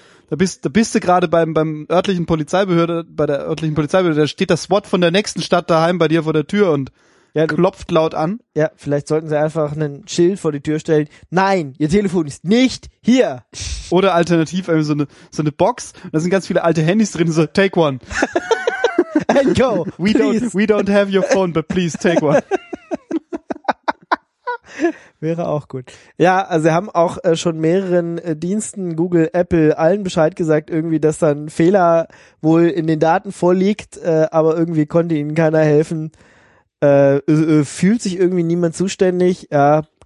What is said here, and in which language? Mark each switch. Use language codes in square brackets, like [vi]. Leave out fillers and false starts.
[de] Da bist du gerade beim örtlichen Polizeibehörde, bei der örtlichen Polizeibehörde, da steht das SWAT von der nächsten Stadt daheim bei dir vor der Tür und ja, klopft laut an. Ja, vielleicht sollten sie einfach ein Schild vor die Tür stellen. Nein, ihr Telefon ist nicht hier. Oder alternativ so eine Box, und da sind ganz viele alte Handys drin, so [en] take one. And go. We don't have your phone, but please take one. [de] Wäre auch gut. Ja, also sie haben auch schon mehreren Diensten, Google, Apple, allen Bescheid gesagt, irgendwie, dass da ein Fehler wohl in den Daten vorliegt, aber irgendwie konnte ihnen keiner helfen. Fühlt sich irgendwie niemand zuständig. Ja.